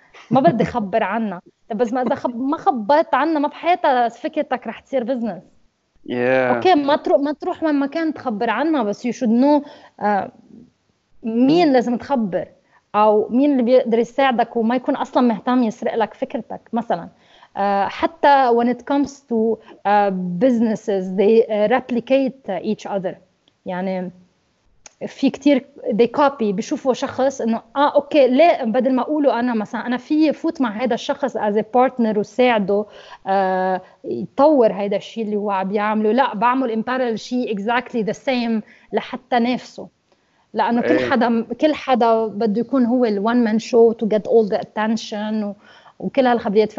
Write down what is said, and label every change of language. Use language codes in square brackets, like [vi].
[ar] ما بدي خبر عنا بس ما اذا ما خبرت عنا ما بحياتها فكرتك رح تصير بزنس اوكي ما تروح وين ما كان تخبر عنا بس [en] you should know [ar] مين لازم تخبر او مين اللي بيقدر يساعدك وما يكون اصلا مهتم يسرق لك فكرتك مثلا [en] حتى when it comes to businesses they replicate each other. [ar] يعني في كتير [en] they copy, [ar] بيشوفوا شخص انه اوكي ليه بدل ما اقوله انا مثلا انا في فوت مع هذا الشخص [en] as a partner [ar] وساعده يطور هذا الشيء اللي هو عم يعمله, لا بعمل [en] in parallel [ar] شيء [en] exactly the same [ar] لحتى نفسه, لانه كل حدا كل حدا بده يكون هو ال [en] one man show to get all the attention [ar] وكل هالخبريات.